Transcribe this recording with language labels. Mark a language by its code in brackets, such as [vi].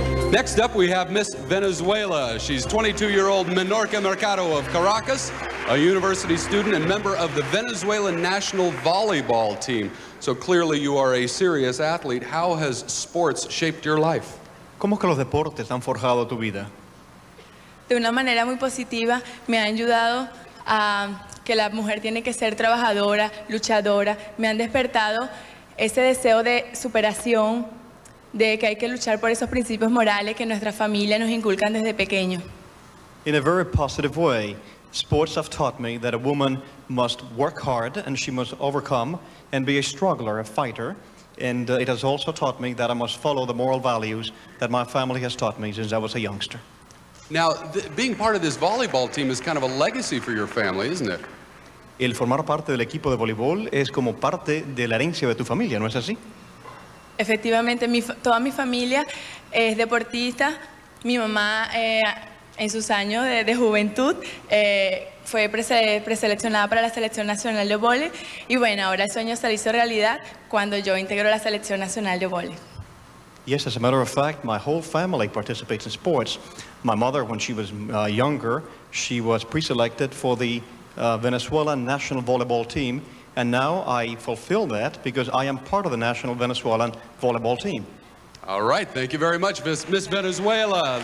[en] Next up, we have Miss Venezuela. She's 22-year-old Minorka Mercado of Caracas, a university student and member of the Venezuelan national volleyball team. So clearly you are a serious athlete. How has sports shaped your life? [es] ¿Cómo que los deportes han forjado tu vida? De una manera muy positiva, me han ayudado a que la mujer tiene que ser trabajadora, luchadora. Me han despertado ese deseo de superación, de que hay que luchar por esos principios morales que nuestra familia nos inculcan desde pequeño. [en] In a very positive way, sports have taught me that a woman must work hard and she must overcome and be a struggler, a fighter. And it has also taught me that I must follow the moral values that my family has taught me since I was a youngster. Now, being part of this volleyball team is kind of a legacy for your family, isn't it? [es] El formar parte del equipo de voleibol es como parte de la herencia de tu familia, ¿no es así? Efectivamente, toda mi familia es deportista. Mi mamá, en sus años de juventud, fue preseleccionada para la Selección Nacional de Vole. Y bueno, ahora el sueño se hizo realidad cuando yo integro la Selección Nacional de Vole. [en] Yes, as a matter of fact, my whole family participates in sports. My mother, when she was younger, she was preselected for the Venezuela National Volleyball Team. And now I fulfill that because I am part of the National Venezuelan Volleyball Team. All right, thank you very much, Miss Venezuela.